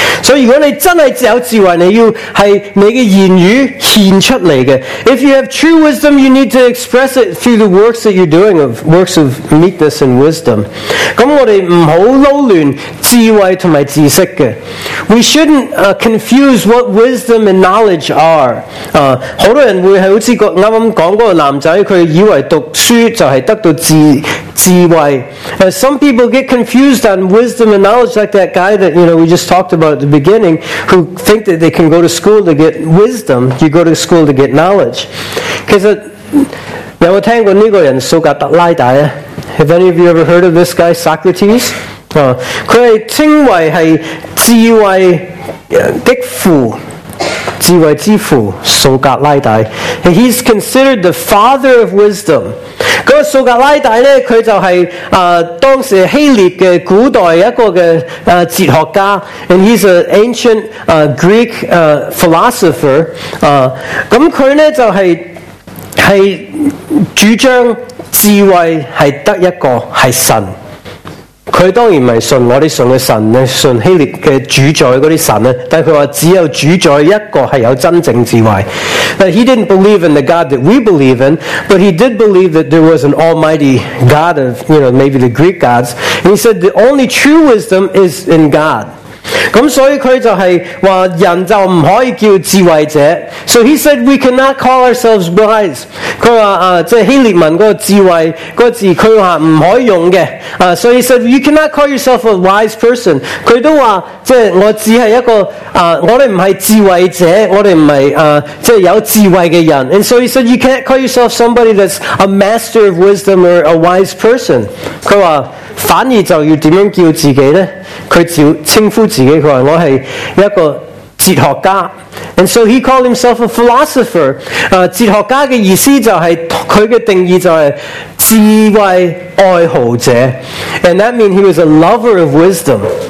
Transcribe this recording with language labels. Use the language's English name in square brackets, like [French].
[Chinese] 所以如果你真的有智慧，你要是你的言语显出来的。 [English] If you have true wisdom, you need to express it through the works that you're doing, of works of meekness and wisdom. [Chinese] 那我们不要捞乱智慧和知识的。 [English] We shouldn't confuse what wisdom and knowledge are. [Chinese] 很多人会好像刚刚讲过的男仔，他以为读书就是得到智慧。 [English] Some people get confused on wisdom and knowledge, like that guy that, you know, we just talked about at the beginning, who think that they can go to school to get wisdom. You go to school to get knowledge. [Chinese] 其实有没有听过这个人苏格拉底？ [English] Have any of you ever heard of this guy, Socrates? [Chinese] 他是称为是智慧的父，智慧之父苏格拉底。 [English] He's considered the father of wisdom. [Chinese] 那苏格拉底呢，他就是当时希腊的古代一个的哲学家。 [English] And he's an ancient Greek philosopher. [Chinese] 那他呢就是主张智慧是得一个，是神。他当然不是信我们信的神，信希腊的主宰那些神，但他说只有主宰一个是有真正智慧。 [English] But he didn't believe in the God that we believe in, but he did believe that there was an almighty God of, you know, maybe the Greek gods. And he said the only true wisdom is in God. [Chinese] 所以他就是说人就不可以叫智慧者。 [English] So he said we cannot call ourselves wise. [Chinese] 他说即希腊文那个智慧那个字他说不可以用的。 [English] So he said you cannot call yourself a wise person. [Chinese] 他都说即我只是一个我们不是智慧者，我们不是即有智慧的人。 [English] And so he said you can't call yourself somebody that's a master of wisdom or a wise person. [Chinese] 他说反而就要怎样叫自己呢？他就称呼自己，他说我是一个哲学家。 [English] And so he called himself a philosopher. [Chinese] 哲学家的意思就是，他的定义就是智慧爱好者。 [English] And that means he was a lover of wisdom.